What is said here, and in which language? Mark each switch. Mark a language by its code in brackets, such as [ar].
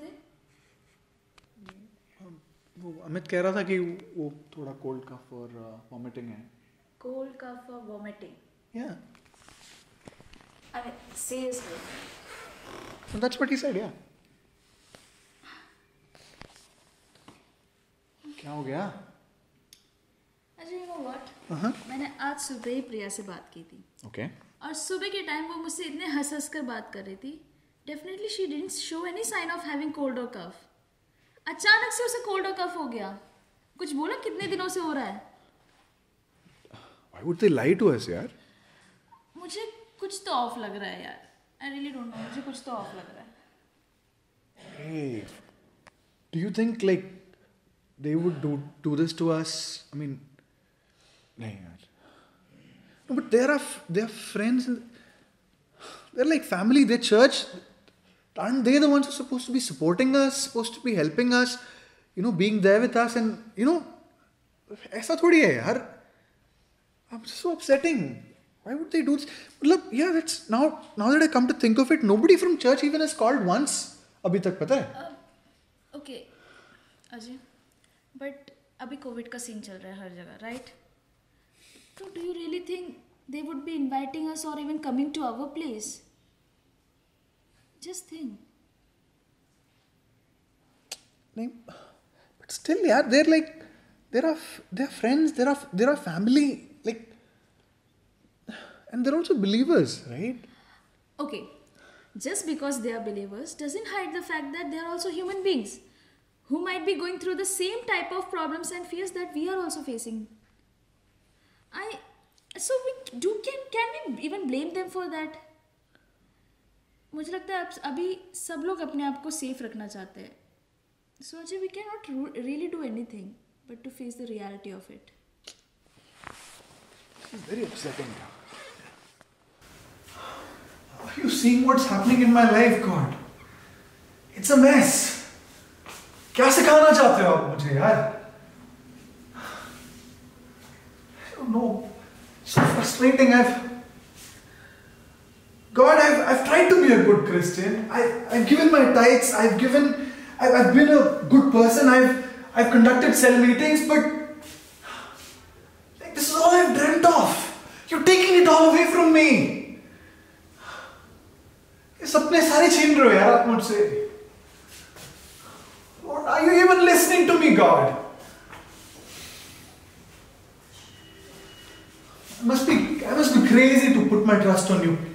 [hi] the? Amit keh raha tha ki wo thoda [en] cold cough or vomiting [hi] hai. [en] Cold cough or vomiting. Yeah. I mean, seriously. So that's what he said, yeah. [hi] क्या हो गया? [en] अच्छा, you know what? [hi] मैंने आज सुबह ही प्रिया से बात की थी. [en] Okay. [hi] और सुबह के टाइम वो मुझसे इतने हंस कर बात कर रही थी. [en] Definitely she didn't show any sign of having cold or cough. [hi] अचानक से उसे [en] cold or cough [hi] हो गया. कुछ बोला कितने दिनों से हो रहा है? [en] Why would they lie to us, यार? [hi] मुझे कुछ तो ऑफ लग रहा है यार. [en] I really don't know. [hi] मुझे कुछ तो ऑफ लग रहा है. [en] Hey, do you think like they would do this to us? I mean, nahin yaar. No, but they are friends. They're like family. They're church. Aren't they the ones who are supposed to be supporting us? Supposed to be helping us? You know, being there with us and you know, [hi] aisa thodi hai yaar. [en] I'm just so upsetting. Why would they do this? Matlab, yeah, that's now that I come to think of it, nobody from church even has called once. [hi] Abhi tak pata hai. [en] Okay, Ajay. But [hi] अभी Covid का scene चल रहा है हर जगह, [en] Right? तो do you really think they would be inviting us और even coming to our place? Just think. नहीं, but still यार, they're like there are friends, there are family, like and they're also believers, right? Okay, just because they are believers doesn't hide the fact that they are also human beings who might be going through the same type of problems and fears that we are also facing. Can we even blame them for that? [hi] मुझे लगता है अभी सब लोग अपने आप को safe रखना चाहते हैं. [en] So Ajay, we cannot really do anything but to face the reality of it. This is very upsetting. Are you seeing what's happening in my life, God? It's a mess. [hi] क्या सिखाना चाहते हो आप मुझे यार? [en] No, so frustrating. I've tried to be a good Christian. I've given my tithes. I've been a good person. I've conducted cell meetings. But like, this is all I've dreamt of. You're taking it all away from me. [hi] ये सपने सारे छीन रहे हो यार आप मुझसे. [en] Lord, are you even listening to me, God? I must be crazy to put my trust on you.